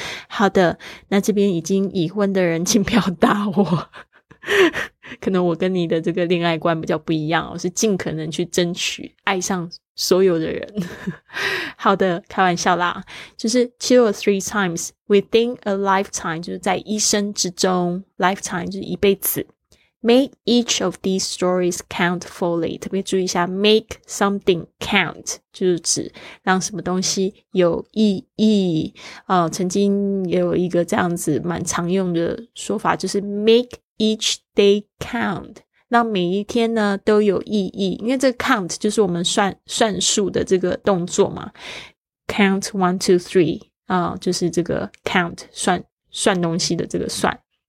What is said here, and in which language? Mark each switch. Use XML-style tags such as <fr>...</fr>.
<zh>好的，那这边已经已婚的人请表达我可能我跟你的这个恋爱观比较不一样，我是尽可能去争取爱上所有的人。好的，开玩笑啦，就是</zh> <en>two or three times within a lifetime，</en> <zh>就是在一生之中， lifetime 就是一辈子。</zh> <en>Make each of these stories count fully，</en> <zh>特别注意一下</zh> <en>make something count，</en> <zh>就是指让什么东西有意义。曾经也有一个这样子蛮常用的说法，就是</zh> <en>make each day count，</en> <zh>让每一天呢都有意义。因为这个 count 就是我们算数的这个动作嘛， count 1, 2, 3， 就是这个 count 算东西的这个算。</zh>